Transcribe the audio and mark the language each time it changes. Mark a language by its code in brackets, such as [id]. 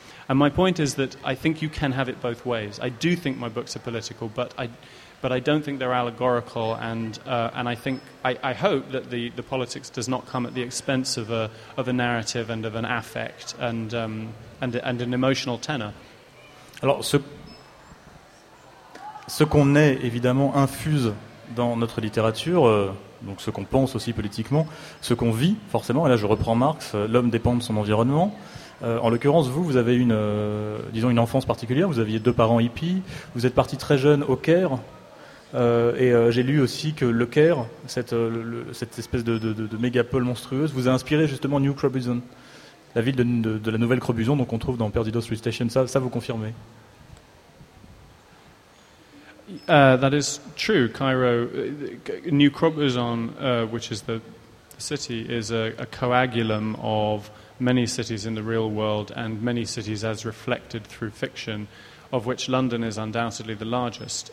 [en] And my point is that I think you can have it both ways. I do think my books are political, but I don't think they're allegorical, and I think I hope that the politics does not come at the expense of a narrative and of an affect and an emotional tenor. [fr] Ce qu'on est, évidemment, infuse dans notre littérature, donc ce qu'on pense aussi politiquement, ce qu'on vit, forcément, et là je reprends Marx, l'homme dépend de son environnement. En l'occurrence, vous avez une enfance particulière, vous aviez deux parents hippies, vous êtes parti très jeune au Caire, et j'ai lu aussi que le Caire, cette espèce de mégapole monstrueuse, vous a inspiré justement New Crobuzon, la ville de la nouvelle Crobuzon, donc on trouve dans Perdido Street Station, ça vous confirmez? [en] That is true. Cairo, New Crobuzon, which is the city, is a coagulum of many cities in the real world and many cities as reflected through fiction, of which London is undoubtedly the largest.